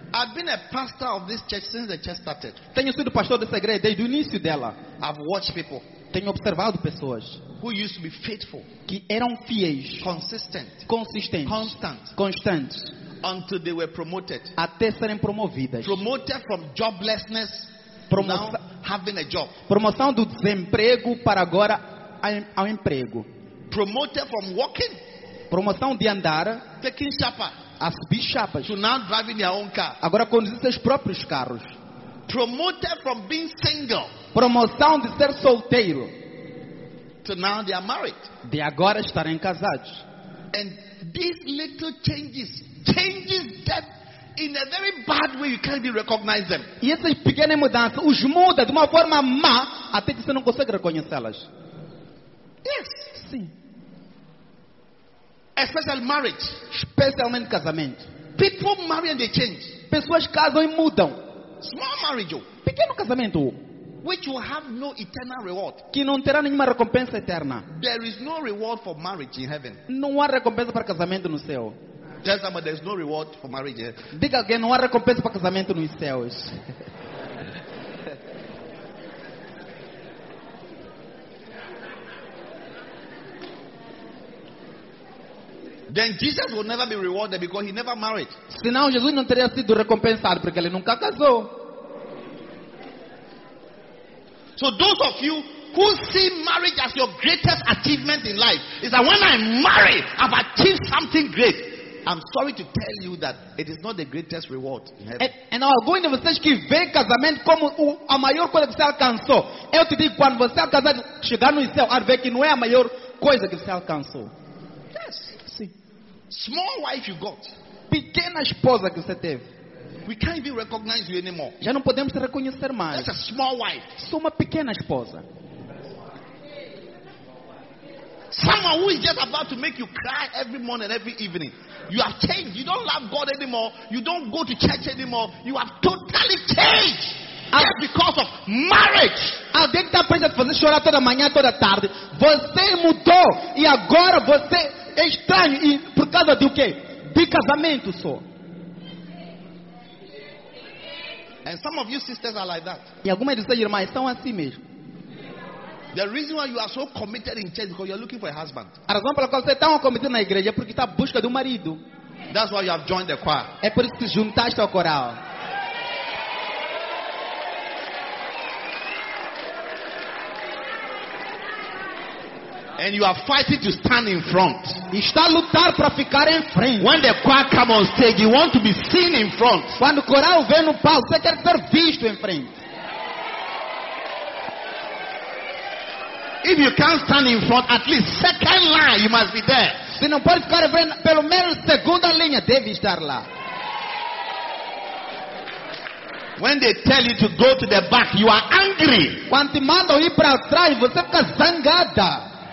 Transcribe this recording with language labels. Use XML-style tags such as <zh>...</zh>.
<en>I've been a pastor of this church since the church started.</en> <pt>Tenho sido pastor dessa igreja desde o início dela.</pt> <en>I've watched people.</en> <pt>Tenho observado pessoas</pt> <en>who used to be faithful,</en> <pt>que eram fiéis,</pt> <en>consistent, constant, until they were promoted,</en> <pt>até serem promovidas,</pt> <en>promoted from joblessness, now having a job,</en> <pt>promoção do desemprego para agora ao emprego,</pt> <en>promoted from walking,</en> <pt>promoção de andar,</pt> <en>taking chapa,</en> <pt>a subir chapas,</pt> <en>to now driving their own car,</en> <pt>agora conduzir seus próprios carros.</pt> <en>Promoted from being single,</en> <pt>promoção de ser solteiro,</pt> <en>to now they are married,</en> <pt>de agora estarem casados.</pt> <en>And these little changes them in a very bad way. You can't even recognize them.</en> <pt>E essas pequenas mudanças os muda de uma forma má até que você não consegue reconhecê-las.</pt> <en>Yes,</en> <pt>sim.</pt> <en>Especially marriage,</en> <pt>especialmente casamento.</pt> <en>People marry and they change.</en> <pt>Pessoas casam e mudam.</pt> <en>Small marriage,</en> <pt>pequeno casamento,</pt> <en>which will have no eternal reward,</en> <pt>que não terá nenhuma recompensa eterna.</pt> <en>There is no reward for marriage in heaven.</en> <pt>Não há recompensa para casamento no céu.</pt> <en>Tell somebody there is no reward for marriage in heaven.</en> <pt>Diga alguém, não há recompensa para casamento nos céus.</pt> <en>Then Jesus will never be rewarded because he never married.</en> <pt>Senão Jesus não teria sido recompensado porque ele nunca casou.</pt> <en>So those of you who see marriage as your greatest achievement in life, is that when I marry, I've achieved something great. I'm sorry to tell you that it is not the greatest reward in heaven.</en> <pt>And alguém de vocês que vê casamento como a maior coisa que você alcançou, eu te digo, quando você casar, chegar no céu, a ver que não é a maior coisa que você alcançou.</pt> <en>Yes.</en> <pt>Sim.</pt> <en>Small wife you got.</en> <pt>Pequena esposa que você teve.</pt> <en>We can't even recognize you anymore.</en> <pt>Já não podemos te reconhecer mais.</pt> <en>That's a small wife.</en> <pt>Sou uma pequena esposa.</pt> <en>Someone who is just about to make you cry every morning and every evening. You have changed. You don't love God anymore. You don't go to church anymore. You have totally changed. Just because of marriage.</en> <pt>Alguém está prestes a te fazer chorar toda manhã, toda tarde. Você mudou. E agora você é estranho. E por causa de o quê? De casamento só.</pt> <en>And some of you sisters are like that.</en> <pt>E algumas de suas irmãs estão assim mesmo.</pt> <en>The reason why you are so committed in church is because you are looking for a husband.</en> <pt>A razão pela qual você está tão comprometido na igreja é porque está à busca de um marido.</pt> <en>That's why you have joined the choir.</en> <pt>É por isso que se juntaste ao coral.</pt> <en>And you are fighting to stand in front.</en> <pt>Está a lutar para ficar em frente.</pt> <en>When the choir come on stage, you want to be seen in front.</en> <pt>Quando o coral vem no palco, você quer ser visto em frente.</pt> <en>If you can't stand in front, at least second line, you must be there.</en> <pt>Se não pode ficar em frente, pelo menos segunda linha deve estar lá.</pt> <en>When they tell you to go to the back, you are angry.</en> <pt>Quando te mandam ir para trás, você fica zangada.</pt>